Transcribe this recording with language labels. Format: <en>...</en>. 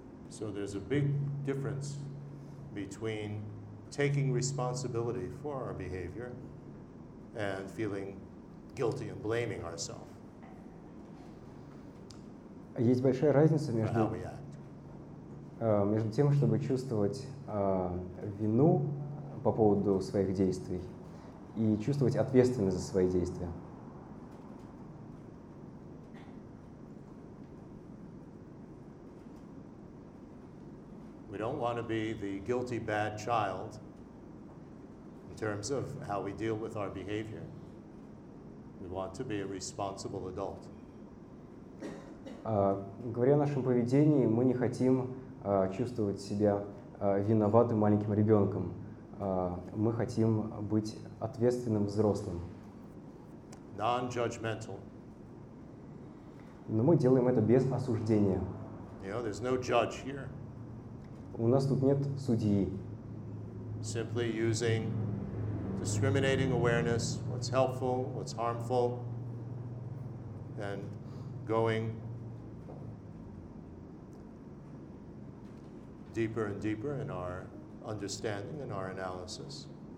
<en>So there's a big difference between taking responsibility for our behavior and feeling guilty and blaming ourselves.</en> <ru>Есть большая разница между</ru> <en>how we act.</en> <ru>Между тем, чтобы чувствовать вину по поводу своих действий и чувствовать ответственность за свои действия.</ru> <en>Don't want to be the guilty bad child in terms of how we deal with our behavior. We want to be a responsible adult.</en> <ru>Говоря о нашем поведении, мы не хотим чувствовать себя виноватым маленьким ребенком. Мы хотим быть ответственным взрослым.</ru> <en>Non-judgmental.</en> <ru>Но мы делаем это без осуждения.</ru> <en>You know, there's no judge here.</en> <ru>У нас тут нет судьи.</ru> <en>Simply using discriminating awareness, what's helpful, what's harmful, and going deeper and deeper in our understanding and our analysis.</en>